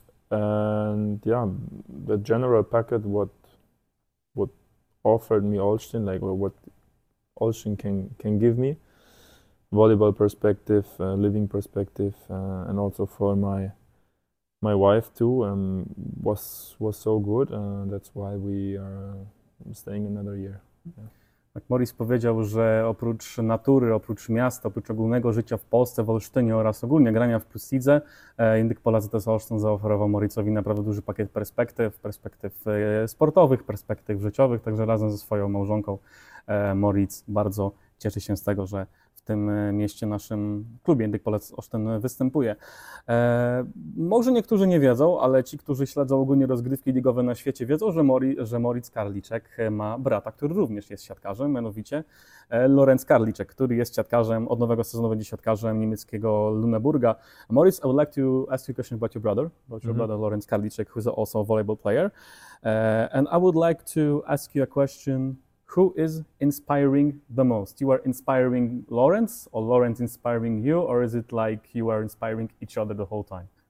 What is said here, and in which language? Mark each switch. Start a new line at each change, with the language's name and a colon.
English: And yeah, the general package what offered me Olsztyn, like what Olsztyn can give me, volleyball perspective, living perspective, and also for my wife too, was so good. That's why we are staying another year.
Polish: Maurice powiedział, że oprócz natury, oprócz miasta, oprócz ogólnego życia w Polsce, w Olsztynie oraz ogólnie grania w Plusidze, Indyk Pola AZS Olsztyn zaoferował Mauricowi naprawdę duży pakiet perspektyw sportowych, perspektyw życiowych, także razem ze swoją małżonką Maurice bardzo cieszy się z tego, że w tym mieście, naszym klubie Indyk Pola AZS Olsztyn występuje. Może niektórzy nie wiedzą, ale ci, którzy śledzą ogólnie rozgrywki ligowe na świecie, wiedzą, że Moritz Karliczek ma brata, który również jest siatkarzem, mianowicie Lorenz Karliczek, który jest siatkarzem, od nowego sezonu będzie siatkarzem niemieckiego Lüneburga.
English: Moritz, I would like to ask you a question about your brother Lorenz Karliczek, who is also a volleyball player. And I would like to ask you a question. Who is inspiring the most? You are inspiring Lawrence, or Lawrence inspiring you, or is it like you are inspiring each other the whole time?